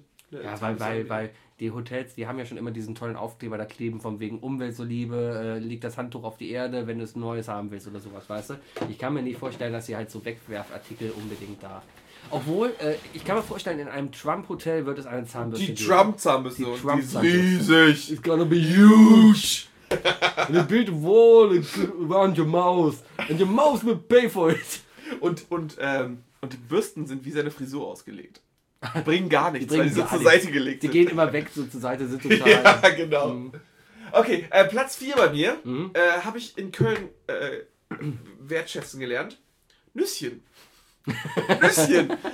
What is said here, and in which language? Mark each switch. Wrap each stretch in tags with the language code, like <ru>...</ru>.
<de>ja, weil die Hotels, die haben ja schon immer diesen tollen Aufkleber da kleben, von wegen Umwelt so Liebe, liegt das Handtuch auf die Erde, wenn du es Neues haben willst oder sowas, weißt du? Ich kann mir nicht vorstellen, dass sie halt so Wegwerfartikel unbedingt da... Obwohl, ich kann mir vorstellen, in einem Trump-Hotel wird es eine Zahnbürste geben. Die Trump-Zahnbürste, die ist riesig.</de> <en>It's gonna be huge. And a big wall around your mouth. And your mouth will pay for it.</en> <de>Und die Bürsten sind wie seine Frisur ausgelegt. Die bringen gar nichts, weil die so zur Seite gelegt sind. Die gehen immer weg, so zur Seite sind total. Ja, genau. Mhm. Okay, Platz 4 bei mir. Mhm. Habe ich in Köln wertschätzen gelernt. Nüsschen. Nüsschen.</de>